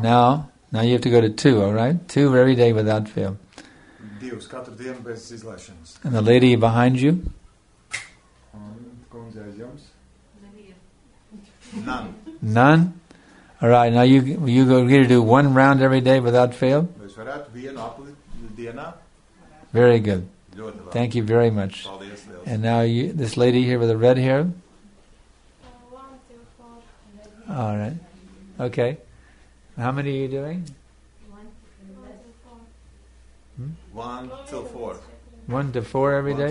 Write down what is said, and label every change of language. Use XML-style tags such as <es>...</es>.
<en>Now you have to go to two, all right? Two every day without fail.</en> <lv>Divus, katru dienu bez izlaišanas.</lv> <en>And the lady behind you?</en> <lv>Kundze aiz jums?</lv> <en>None. None? All right, now you agree to do one round every day without fail?</en> <lv>Es varētu vienu apli dienā.</lv> <en>Very good.</en> <lv>Ļoti labi.</lv> <en>Thank you very much.</en> <lv>Paldies, Liels.</lv> <en>And now you, this lady here with the red hair? One, two, four. All right. Okay. How many are you doing? One to four every one day?</en>